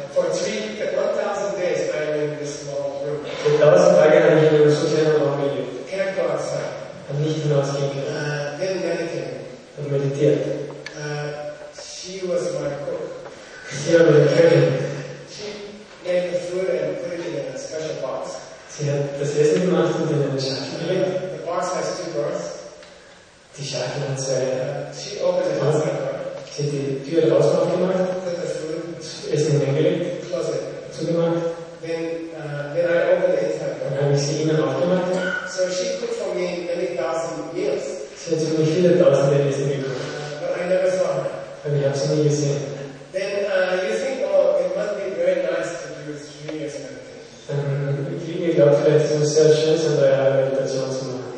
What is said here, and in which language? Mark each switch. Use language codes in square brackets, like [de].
[en] for 1,000 days I lived in this small room. [de] Für 1,000 Tage habe ich in einem so kleinen Raum gelebt. [en] Can't go outside. [de] Habe nicht hinausgehen können. [en] Then meditating. [de] Habe meditiert. [en] She was my cook. [de] Sie war meine Köchin. [en] She made the food and put it in a special box. [de] Sie hat das Essen gemacht und in eine Schachtel gelegt. [en] The box has 2 doors. [de] Die Schachtel hat 2. [en] She opened the box. [de] Sie hat die Tür rausgemacht gemacht. [en] Put the food. [de] Essen hineingelegt. [en] Close it. [de] Zugemacht. [en] Then I opened the inside door. [de] Dann habe ich sie innen aufgemacht. [en] So she cooked for me many thousand meals. [de] Sie hat für mich viele tausende Essen gekocht. [en] But I never saw her. [de] Aber ich habe sie nie gesehen. [en] Then you think, it must be very nice to do 3 years meditation. [de] Ich glaube, vielleicht ist es sehr schön, so 3 Jahre Meditation zu machen.